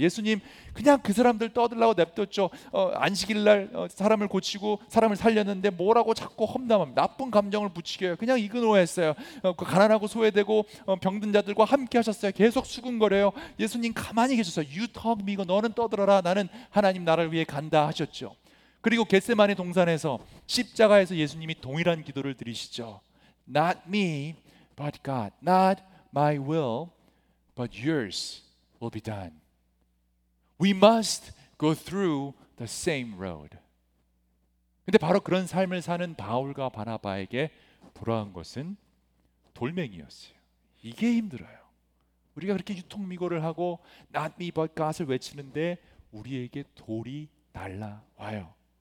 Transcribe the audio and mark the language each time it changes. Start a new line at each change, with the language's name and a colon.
Korean: 예수님 그냥 그 사람들 떠들라고 냅뒀죠. 안식일날 사람을 고치고 사람을 살렸는데 뭐라고 자꾸 험담하며 나쁜 감정을 부추겨요. 그냥 이그노했어요. 가난하고 소외되고 병든 자들과 함께 하셨어요. 계속 수군거려요. 예수님 가만히 계셨어요.
English: You talk me,
Korean: 너는 떠들어라, 나는 하나님 나라를 위해 간다 하셨죠. 그리고 겟세마네 동산에서 십자가에서 예수님이 동일한 기도를 드리시죠.
English: Not me, but God. Not my will, but yours will be done. We must go through the same road.
Korean: 근데 바로 그런 삶을 사는 바울과 바나바에게 돌아온 것은 돌멩이였어요. 이게 힘들어요. 우리가 그렇게 유통미고를 하고
English: Not me, but God
Korean: 을 외치는데 우리에게 돌이 날라와요.